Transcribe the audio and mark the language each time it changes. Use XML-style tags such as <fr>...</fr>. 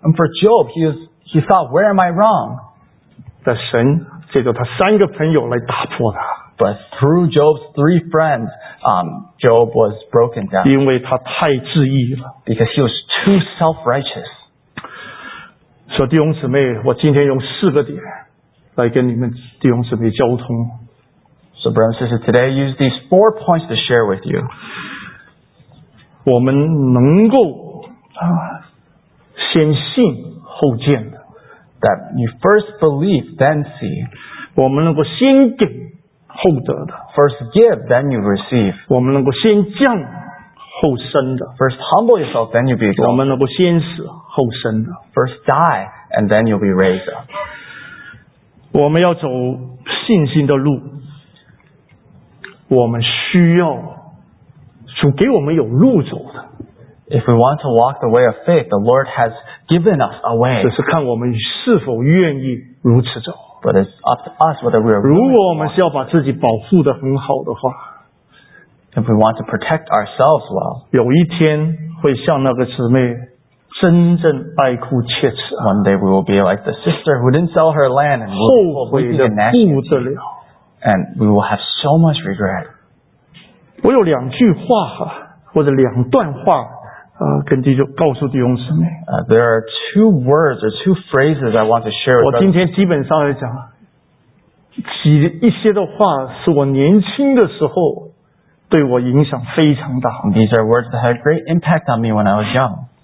<en>And for Job, he thought, where am I wrong?</en> <zh>但神借着他三个朋友来打破他。</zh> <en>But through Job's three friends, Job was broken down.</en> <zh>因为他太自义了。</zh> <en>Because he was too self-righteous.</en> <zh>所以弟兄姊妹，我今天用四个点来跟你们弟兄姊妹交通。</zh> <en>So brothers and sisters, today I use these four points to share with you.</en> <zh>我们能够先信后见的。</zh> <en>That you first believe, then see.</en> <zh>我们能够先给后得的。</zh> <en>First give, then you receive.</en> <zh>我们能够先降后生的。</zh> <en>First humble yourself, then you be exalted.</en> <zh>我们能够先死。后生的</zh> <en>First die, and then you'll be raised up.</en> <zh>我们要走信心的路，我们需要主给我们有路走的。</zh> <en>If we want to walk the way of faith, the Lord has given us a way.</en> <zh>只是看我们是否愿意如此走。</zh> <en>But it's up to us whether we are willing to walk.</en> <zh>如果我们是要把自己保护得很好的话，</zh> <en>If we want to protect ourselves well,</en> <zh>有一天会像那个姊妹真正爱哭切齿。</zh> <en>One day we will be like the sister who didn't sell her land and we'll be weeping and gnashing. And we will have so much regret.</en> <zh>我有两句话或者两段话跟弟兄告诉弟兄姊妹。</zh> <en>There are two words or two phrases I want to share with you.</en> <zh>我今天基本上来讲几一些的话是我年轻的时候对我影响非常大。</zh> <en>These are words that had great impact on me when I was young.</en>